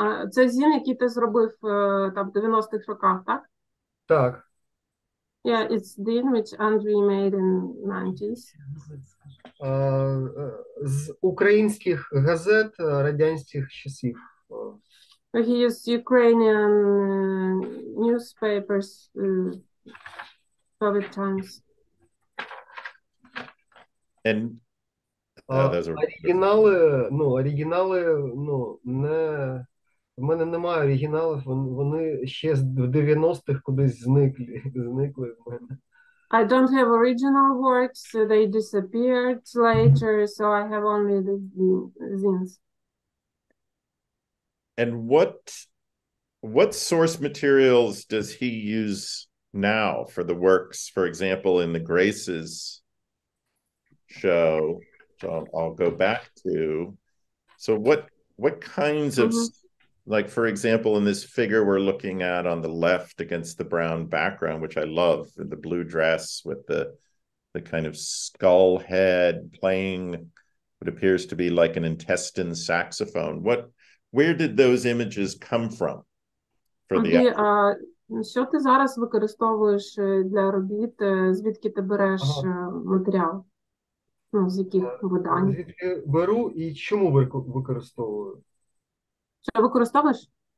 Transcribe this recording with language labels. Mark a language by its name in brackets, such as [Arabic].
[Ukrainian] Це зін, який ти зробив там 90-х роках, так? Так. [English] Yeah, it's zin which Andrii made in 90s. [Ukrainian] З українських газет радянських часів. [English] He used Ukrainian newspapers Soviet times. And [Ukrainian] оригінали, ну, оригінали, ну, не в мене немає оригіналів, вони ще в 90-х кудись зникли, зникли в мене. [English] I don't have original works, so they disappeared later, so I have only the zines. And what source materials does he use now for the works, for example, in the Graces show? So I'll go back to, so what kinds of, mm-hmm. like, for example, in this figure we're looking at on the left against the brown background, which I love, the blue dress with the kind of skull head playing what appears to be like an intestine saxophone. What, where did those images come from for the [Ukrainian] Що ти зараз використовуєш для робіт? Звідки ти береш матеріал? Ну, з яких видань? Звідки беру і чому використовую? Що використовуєш?